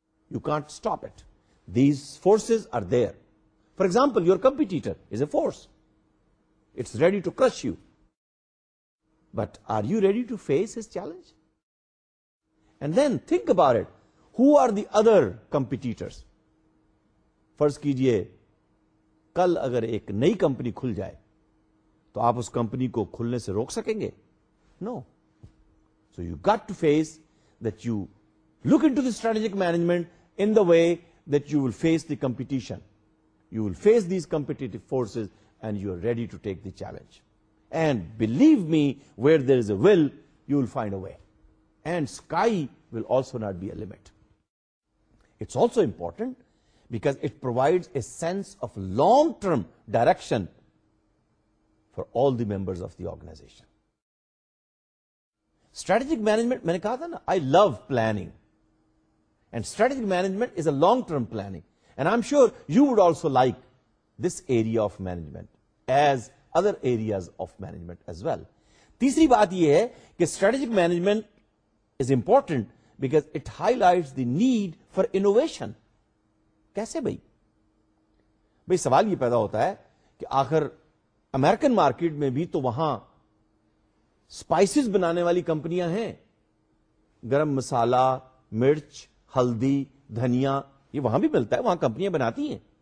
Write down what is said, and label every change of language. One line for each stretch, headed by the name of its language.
English: You can't stop it, these forces are there. For example your competitor is a force, it's ready to crush you, but are you ready to face his challenge? And then think about it, who are the other competitors?
Urdu: فرض کیجئے کل اگر ایک نئی company کھل جائے تو آپ اس کمپنی کو کھلنے سے روک سکیں گے؟
English: Know. So you got to face that you look in to the strategic management in the way that you will face the competition, you will face these competitive forces and you are ready to take the challenge. And believe me, where there is a will you will find a way, and sky will also not be a limit. It's also important because it provides a sense of long-term direction for all the members of the organization. Strategic management,
Urdu: میں نے کہا تھا نا,
English: I love planning. And strategic management is a long-term planning. And I'm sure you would also like this area of management as other areas of management as well.
Urdu: تیسری بات یہ ہے کہ
English: strategic management is important because it highlights the need for innovation.
Urdu: کیسے بھائی؟ سوال یہ پیدا ہوتا ہے کہ آخر امریکن مارکیٹ میں بھی تو وہاں اسپائسیز بنانے والی کمپنیاں ہیں، گرم مسالہ، مرچ، ہلدی، دھنیا، یہ وہاں بھی ملتا ہے، وہاں کمپنیاں بناتی ہیں.